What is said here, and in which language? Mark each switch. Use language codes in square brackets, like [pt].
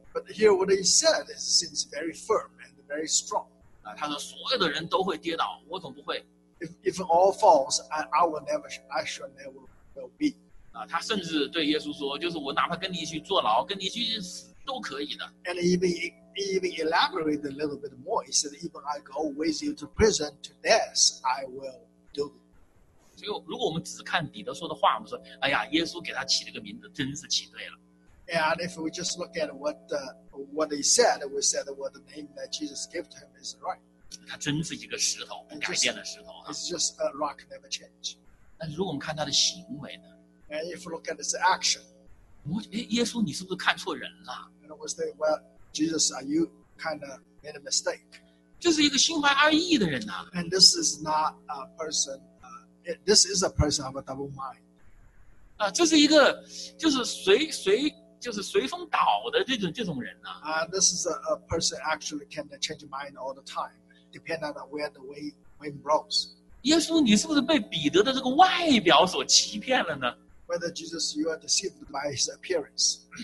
[en] But here, what he said seems very firm and very strong. [zh] 他说所有的人都会跌倒，我总不会。 [en] If all falls, I shall never be. [zh] 他甚至对耶稣说，就是我哪怕跟你一起坐牢、跟你一起死都可以的。 [en] And he even elaborated a little bit more. He said, even I go with you to prison to death, I will do. [zh] 所以如果我们只看彼得说的话，我们说，哎呀，耶稣给他起这个名字真是起对了。 [en] And if we just look at what he said, we said what the name that Jesus gave him is right. [zh] 他真是一个石头，不改变的石头。 [en] It's just a rock never change. [zh] 那如果我们看他的行为呢？ [en] And if we look at his action. [zh] 耶稣，你是不是看错人了？ [en] And we say, well, Jesus, are you kind of made a mistake? [zh] 这是一个心怀二意的人啊。 [en] And this is not a person, this is a person of a double mind. [zh] 这是一个就是随风倒的这种人啊。 [en] This is a person actually can change mind all the time, depending on where the wind blows. [zh] 耶稣，你是不是被彼得的这个外表所欺骗了呢？ [en] Whether Jesus, you are deceived by his appearance.